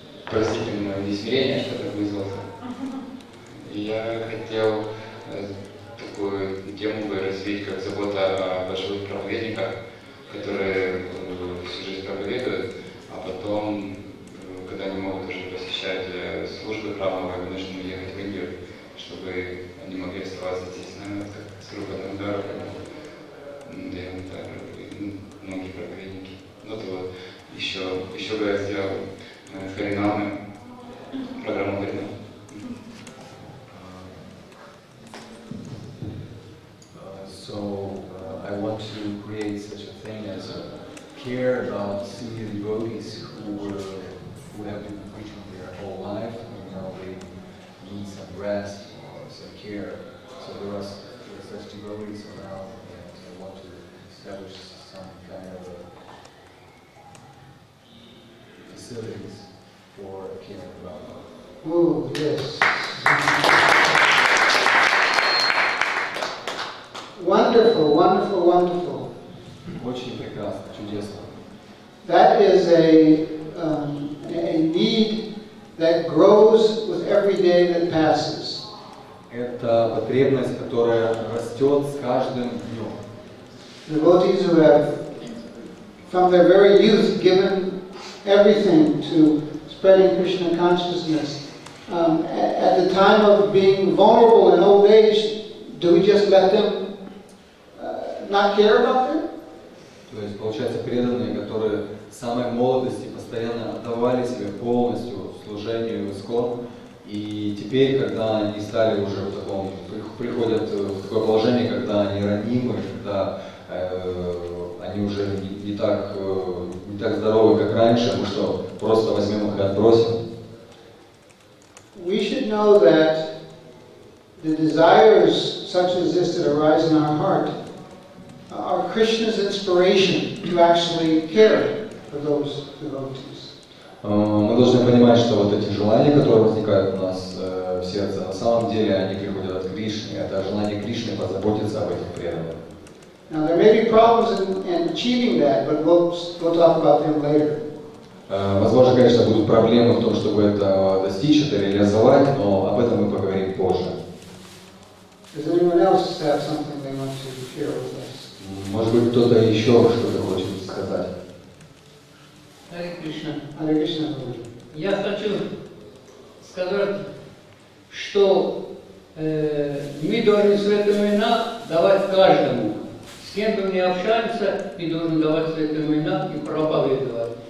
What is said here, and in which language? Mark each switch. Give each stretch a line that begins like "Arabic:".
Russian: Простите мое измерение, что так вызвался. Я хотел такую тему бы развить, как забота о большевых проповедниках, которые всю жизнь проповедуют, а потом, когда они могут уже посещать службы храмовые, вынуждены ехать в Индию, чтобы они могли оставаться здесь с нами, как с группой Нандар, Нандар и многие проповедники. Вот и вот. Еще бы я сделал Харинамы, программу Харинамы.
English: So I want to create such a thing as a care about senior devotees who have been preaching their whole life, and now they need some rest or some care. So there are such devotees around, and I want to establish some kind of facilities for care about them. Oh, yes. Wonderful, wonderful, wonderful.
Russian: Очень прекрасно, чудесно.
English: That is a need that grows with every day that passes.
Russian: Это потребность, которая растет с каждым днем.
English: Devotees who have, from their very youth, given everything to spreading Krishna consciousness, at the time of being vulnerable in old age, do we just let them? Not care about them?
Russian: То есть получается преданные, которые с самой молодости постоянно отдавали себе полностью служению в ИСКОН, и теперь, когда они стали уже в таком, приходят в такое положение, когда они ранимы, когда они уже не так здоровы, как раньше, мы что, просто возьмем их и отбросим?
English: We should know that the desires such as this that arise in our heart are Krishna's inspiration to actually care for those devotees.
Russian: Мы должны понимать, что вот эти желания, которые возникают у нас в сердце, на самом деле они приходят от Кришны. Это желание Кришны позаботиться об этих преданных.
English: Now there may be problems in achieving that, but we'll talk about them later.
Russian: Возможно, конечно, будут проблемы в том, чтобы это достичь, это реализовать, но об этом мы поговорим позже.
English: Does anyone else have something they want to share with us?
Russian: Может быть, кто-то еще что-то хочет сказать? Харе Кришна. Харе Кришна. Я хочу сказать, что мы должны святые имена давать каждому. С кем бы мы общаемся, мы должны давать святые имена и проповедовать.